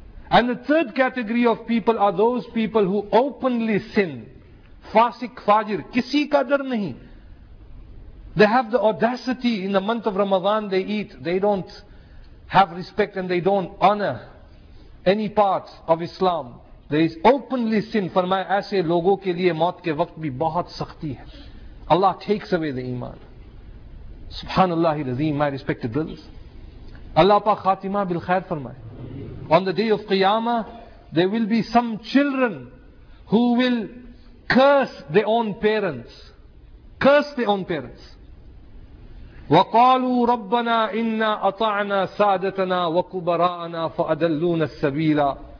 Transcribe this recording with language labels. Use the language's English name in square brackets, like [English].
[English] And the third category of people are those people who openly sin, fasik fajir, [Urdu] kisi ka dar nahi. [English] They have the audacity in the month of Ramadan, they eat, they don't have respect and they don't honor any part of Islam. There is openly sin. [Urdu] فرمایا ایسے لوگوں کے لئے موت کے وقت بھی بہت سختی ہے. [English] Allah takes away the iman. Subhanallah al-Azim, my respected brothers. [Urdu] Allah پاک خاتمہ بالخیر فرمائے. [English] On the day of Qiyamah, there will be some children who will curse their own parents. Curse their own parents. [Arabic] وَقَالُوا رَبَّنَا إِنَّا أَطَعْنَا سَادَتَنَا وَكُبَرَاءَنَا فَأَدَلُّونَ السَّبِيلَ.